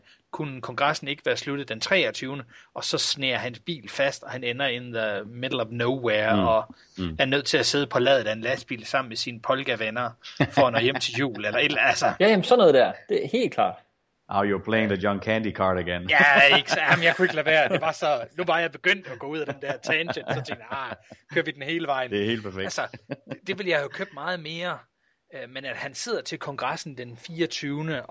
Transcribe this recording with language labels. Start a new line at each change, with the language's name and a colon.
Danish: Kunne kongressen ikke være sluttet den 23. og så snærer hans bil fast, og han ender
English: in the middle of nowhere,
Danish: er nødt til at sidde på ladet af en lastbil sammen med sine polka-venner, for at nå hjem til jul, eller et altså. Ja, jamen sådan noget der, det er helt klart.
English: Oh, you're playing the John Candy card again.
Danish: Ja, jeg kunne ikke lade være. Nu var jeg begyndt at gå ud af den der tangent, så tænkte jeg, kører vi den hele vejen. Det er helt perfekt. Altså, det ville jeg jo købe meget mere, men at han sidder til kongressen den 24.